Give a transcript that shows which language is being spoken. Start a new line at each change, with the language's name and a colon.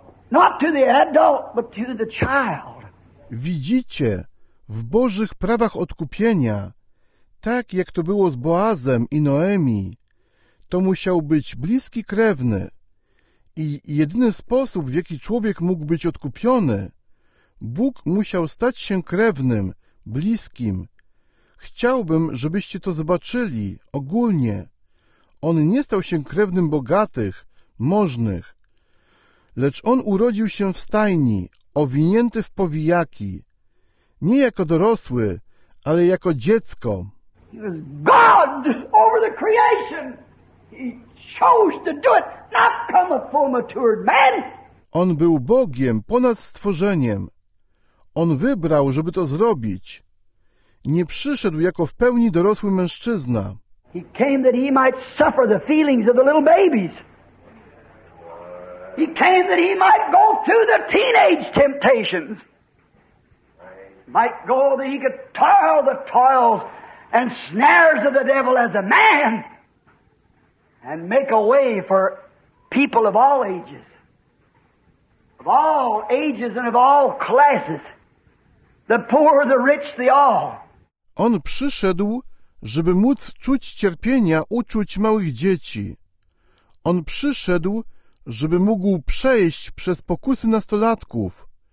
English: Not to the adult, but to the child.
Polish: Widzicie, w Bożych prawach odkupienia, tak jak to było z Boazem i Noemi, to musiał być bliski krewny. I jedyny sposób, w jaki człowiek mógł być odkupiony, Bóg musiał stać się krewnym, bliskim, Chciałbym, żebyście to zobaczyli ogólnie. On nie stał się krewnym bogatych, możnych, lecz on urodził się w stajni, owinięty w powijaki. Nie jako dorosły, ale jako dziecko.
English: He was God over the creation. He chose to do it, not come a full matured man.
Polish: On był Bogiem ponad stworzeniem. On wybrał, żeby to zrobić. Nie przyszedł jako w pełni dorosły mężczyzna.
English: He came that he might suffer the feelings of the little babies. He came that he might go through the teenage temptations. Might go that he could toil the toils and snares of the devil as a man and make a way for people of all ages. Of all ages and of all classes. The poor, the rich, the all.
Polish: On przyszedł, żeby móc czuć cierpienia uczuć małych dzieci. On przyszedł, żeby mógł przejść przez pokusy nastolatków.